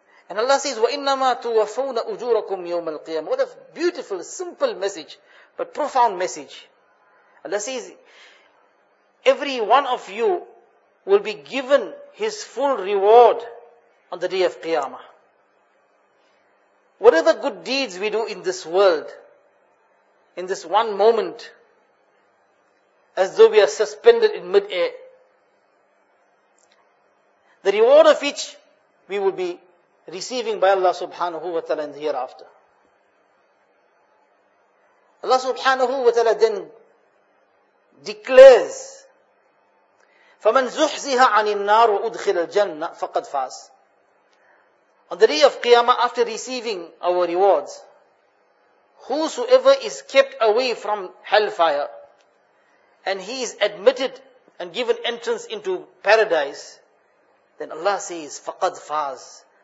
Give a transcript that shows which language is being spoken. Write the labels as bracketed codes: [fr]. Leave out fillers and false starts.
[en] And Allah says, [ar] وَإِنَّمَا تُوَفَّوْنَ أُجُورَكُمْ يَوْمَ الْقِيَامَةِ. [en] What a beautiful, simple message, but profound message. Allah says, every one of you will be given his full reward on the day of Qiyamah. Whatever good deeds we do in this world, in this one moment, as though we are suspended in mid-air, the reward of which we will be receiving by Allah subhanahu wa ta'ala in the hereafter. Allah subhanahu wa ta'ala then declares, [ar] فَمَنْ زُحْزِهَ عَنِ النَّارُ وَأُدْخِلَ الْجَنَّةِ فَقَدْ فَاسْ. [en] On the day of Qiyamah, after receiving our rewards, whosoever is kept away from hellfire and he is admitted and given entrance into paradise, then Allah says, [ar] فَقَدْ فَاز.